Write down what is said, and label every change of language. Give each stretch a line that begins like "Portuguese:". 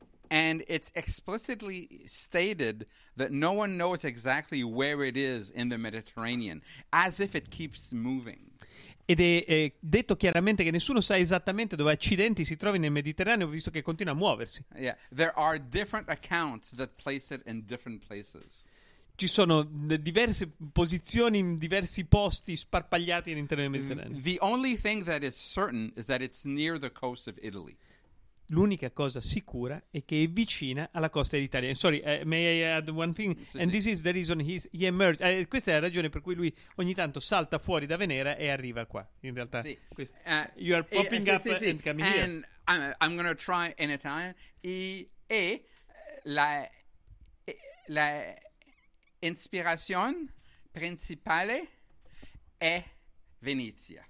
English: And it's explicitly stated that no one knows exactly where it is in the Mediterranean, as if it keeps moving.
Italian: Ed è detto chiaramente che nessuno sa esattamente dove accidenti si trovi nel Mediterraneo, visto che continua a muoversi.
English: Yeah, there are different accounts that place it in different places.
Italian: Ci sono diverse posizioni in diversi posti sparpagliati all'interno del Mediterraneo.
English: The only thing that is certain is that it's near the coast of Italy.
Italian: l'unica cosa sicura è che è vicina alla costa d'Italia.
English: Sorry, may I add one thing? Sì, and sì. This is the reason he emerged.
Italian: Questa è la ragione per cui lui ogni tanto salta fuori da Venera e arriva qua. In realtà, sì.
English: You are popping up sì, and coming and here. And I'm going to try in Italian.
Italian: E la ispirazione principale è Venezia.